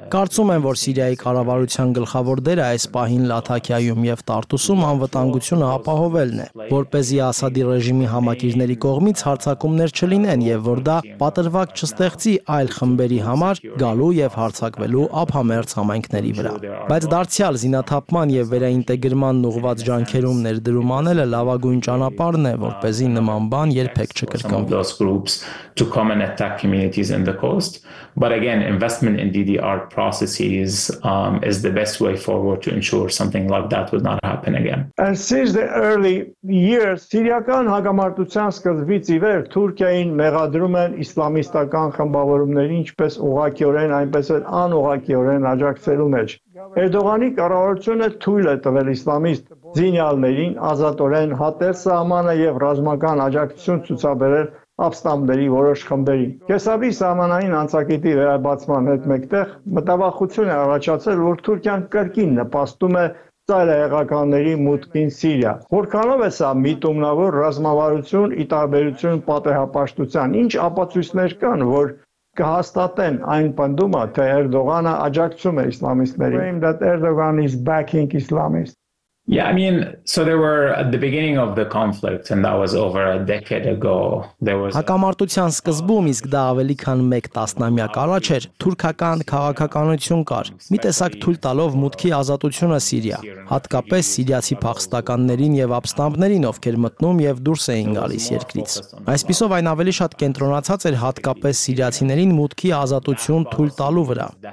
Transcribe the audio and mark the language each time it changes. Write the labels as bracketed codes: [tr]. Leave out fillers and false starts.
[hy] Կարծում եմ, որ Սիրիայի կառավարության գլխավոր դերը այս պահին Լաթաքիայում եւ Տարտուսում անվտանգությունը ապահովելն է, որպեսզի Ասադի ռեժիմի համակիրների կողմից հարձակումներ չլինեն եւ որ դա պատրվակ չստեղծի այլ խմբերի համար գալու եւ հարձակվելու ապամերձ համայնքների վրա։ Բայց դարձյալ զինաթափման եւ վերաինտեգրման ուղված ջանքերում ներդրում անելը լավագույն ճանապարհն է, որպեսզի նման բան երբեք չկրկնվի։ [en] To come and attack communities in the coast, but again, investment in DDR processes is the best way forward to ensure something like that would not happen again. And since the early years, [hy] Սիրիական հակամարտության սկզբից ի վեր Թուրքիային մեղադրում են իսլամիստական խմբավորումներ, ինչպես ուղղակիորեն, այնպես էլ անուղղակիորեն աջակցելու մեջ։ Էրդողանի կառավարությունը թույլ է տվել իսլամիստ զինյալներին ազատորեն հատել սահմանը եւ ռազմական աջակցություն ցուցաբերել Աբստամբերի որոշ խմբերի։ Կեսաբի սահմանային անցակետի վերաբացման հետ մեկտեղ մտավախություն է առաջացել, որ Թուրքիան կրկին նպաստում է ծայրահեղականների մուտքին Սիրիա։ Որքանով է սա միտումնավոր ռազմավարություն ի տարբերություն պատահապաշտության։ Ինչ ապացույցներ կան, որ կհաստատեն այն պնդումը, թե Էրդողանը աջակցում է իսլամիստներին։ [en] Claim that Erdogan is backing Islamists. Yeah, I mean, so there were at the beginning of the conflict and that was over a decade ago. There was [hy] Հակամարտության սկզբում, իսկ դա ավելի քան 1 տասնամյակ առաջ էր, թուրքական քաղաքականություն կար։ Մի տեսակ թույլ տալով մուտքի ազատությունը Սիրիա, հատկապես սիրիացի փախստականներին եւ ապստամբներին, ովքեր մտնում եւ դուրս էին գալիս երկրից։ Այսպիսով այն ավելի շատ կենտրոնացած էր հատկապես սիրիացիներին մուտքի ազատություն թույլ տալու վրա։